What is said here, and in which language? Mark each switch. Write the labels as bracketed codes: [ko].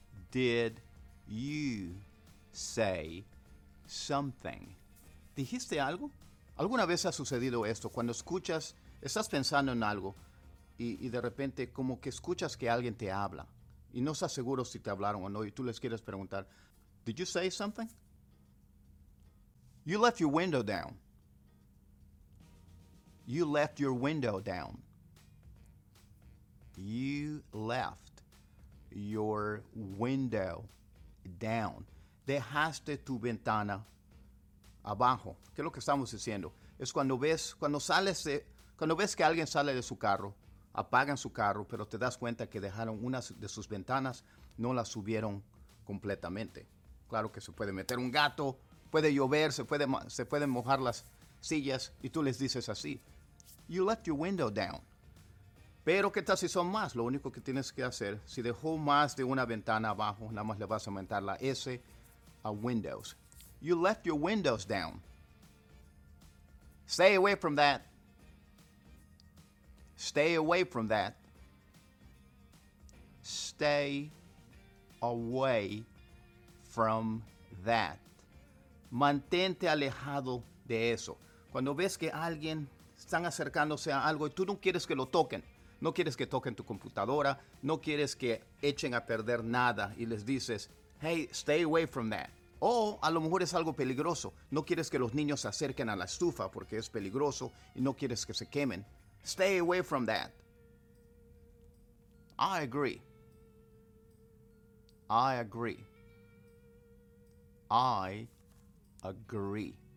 [en] Did you say something? [es] ¿Dijiste algo? ¿Alguna vez ha sucedido esto? Cuando escuchas, estás pensando en algo y de repente como que escuchas que alguien te habla y no estás seguro si te hablaron o no y tú les quieres preguntar, [en] did you say something? You left your window down. You left your window down. You left your window down. [es] Dejaste tu ventana abajo. ¿Qué es lo que estamos diciendo? Es cuando ves, cuando ves que alguien sale de su carro, apagan su carro, pero te das cuenta que dejaron una de sus ventanas, no la subieron completamente. Claro que se puede meter un gato, puede llover, se pueden mojar las sillas y tú les dices así. [en] You left your window down. [es] Pero ¿qué tal si son más? Lo único que tienes que hacer, si dejó más de una ventana abajo, nada más le vas a aumentar la S a windows. [en] You left your windows down. Stay away from that. Stay away from that. Stay away from that. [es] Mantente alejado de eso. Cuando ves que alguien están acercándose a algo y tú no quieres que lo toquen. No quieres que toquen tu computadora. No quieres que echen a perder nada. Y les dices, [en] hey, stay away from that. [es] O a lo mejor es algo peligroso. No quieres que los niños se acerquen a la estufa porque es peligroso y no quieres que se quemen. [en] Stay away from that. I agree. I agree. I agree.